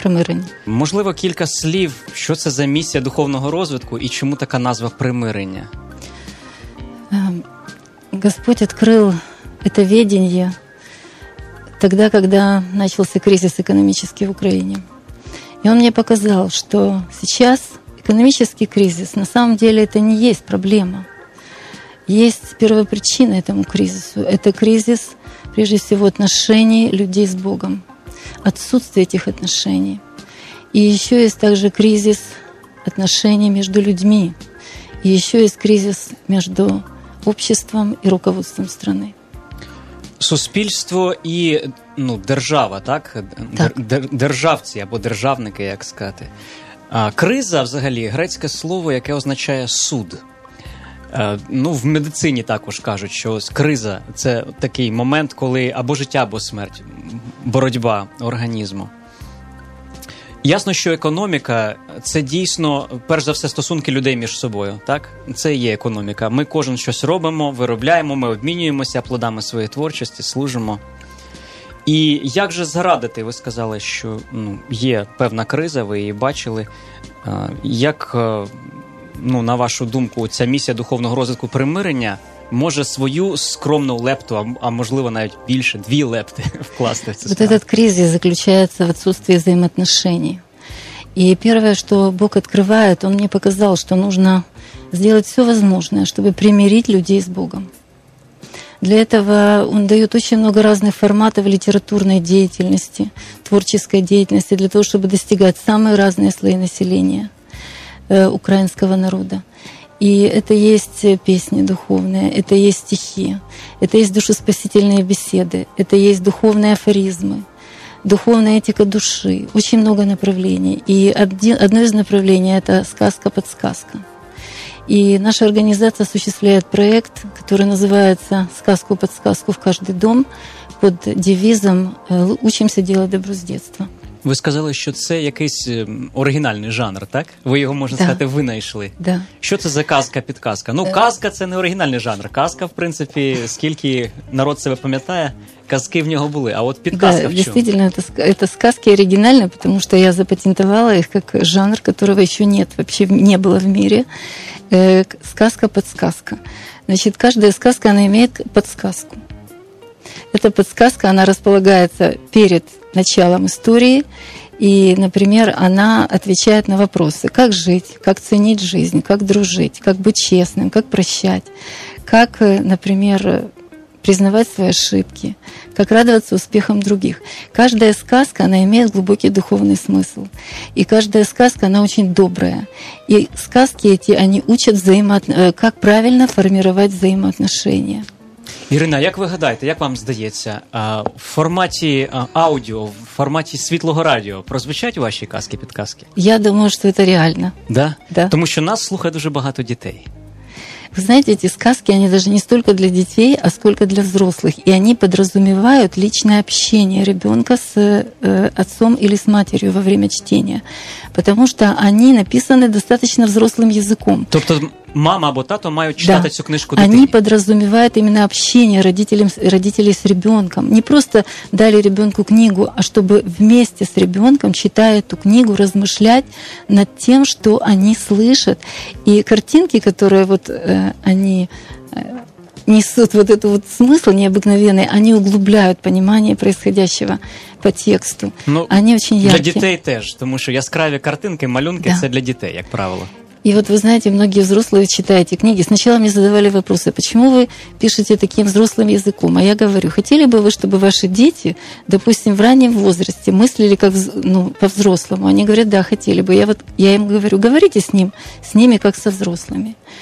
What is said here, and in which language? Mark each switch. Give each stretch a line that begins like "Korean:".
Ukrainian: «Примирення». Можливо, кілька слів, що це за «Місія духовного розвитку» і чому така назва «Примирення»? Господь відкрив це відіння
Russian: тогда, когда начался кризис экономический в Украине. И он мне показал, что сейчас экономический кризис, на самом деле, это не есть проблема. Есть первопричина этому кризису. Это кризис, прежде всего, отношений людей с Богом. Отсутствие этих отношений. И еще есть также кризис отношений между людьми. И еще есть кризис между обществом и руководством страны.
Ukrainian: Суспільство і держава, так? Державці або державники, як сказати. Криза, взагалі, грецьке слово, яке означає суд. В медицині також кажуть, що криза – це такий момент, коли або життя, або смерть, боротьба організму. Ясно, що економіка – це дійсно, перш за все, стосунки людей між собою, так? Це є економіка. Ми кожен щось робимо, виробляємо, ми обмінюємося плодами своєї творчості, служимо. І як же зрадити? Ви сказали, що є певна криза, ви її бачили. Як, на вашу думку, ця місія духовного розвитку примирення може свою скромну лепту, а можливо навіть більше, дві лепти вкласти в цю справу?
Russian: Вот этот кризис заключается в отсутствии взаимоотношений. И первое, что Бог открывает, Он мне показал, что нужно сделать все возможное, чтобы примирить людей с Богом. Для этого Он дает очень много разных форматов литературной деятельности, творческой деятельности, для того, чтобы достигать самые разные слои населения украинского народа. И это есть песни духовные, это есть стихи, это есть душеспасительные беседы, это есть духовные афоризмы, духовная этика души. Очень много направлений. И одно из направлений – это сказка-подсказка. И наша организация осуществляет проект, который называется «Сказку-подсказку в каждый дом» под девизом «Учимся делать добро с детства».
Ukrainian: Ви сказали, що це якийсь оригінальний жанр, так? Ви його, можна сказати, винайшли.
Russian: Да.
Ukrainian: Що це за казка-підказка? Казка – це не оригінальний жанр. Казка, в принципі, скільки народ себе пам'ятає, казки в нього були. А от підказка в чому?
Russian: Действительно, это сказки
Ukrainian: оригінальні, тому що я запатентувала їх як жанр, которого ще нет, вообще не було в мире. Сказка-подсказка. Значить, кожна сказка, вона має підказку.
Russian: Эта подсказка, она располагается перед началом истории, и, например, она отвечает на вопросы, как жить, как ценить жизнь, как дружить, как быть честным, как прощать, как, например, признавать свои ошибки, как радоваться успехам других. Каждая сказка, она имеет глубокий духовный смысл, и каждая сказка, она очень добрая. И сказки эти, они учат, как правильно формировать взаимоотношения.
Ukrainian: Ірина, як ви гадаєте, як вам здається, в форматі аудіо, в форматі світлого радіо прозвучать ваші казки-підказки? Я думаю, що це реально.
Russian: Да? Да.
Ukrainian: Тому що нас слухає дуже багато дітей. Ви знаєте, ці сказки, вони навіть не стільки для дітей, а скільки для взрослих. І вони підразумівають личне общення дитини з отцом або з матір'ю во время чтення. Тому що вони написані достатньо взрослим язиком. Тобто мама або тато мають читати цю книжку дитині. Вони підразумівають іменно общення родителей з ребенком. Не просто дали ребенку книгу, а щоб вместе з ребенком, читая ту книгу, розмишлять над тим, що вони слышать. І картинки, які вони несуть
Russian: вот эту вот смысл необыкновенный, они углубляют понимание происходящего по тексту. Они очень яркие.
Ukrainian: Для детей теж, тому що яскраві картинки, малюнки – це для дітей, як правило.
Russian: И вот вы знаете, многие взрослые читают эти книги. Сначала мне задавали вопросы, почему вы пишете таким взрослым языком? А я говорю, хотели бы вы, чтобы ваши дети, допустим, в раннем возрасте мыслили как по-взрослому? Они говорят, да, хотели бы. Я им говорю, говорите с ними как со взрослыми.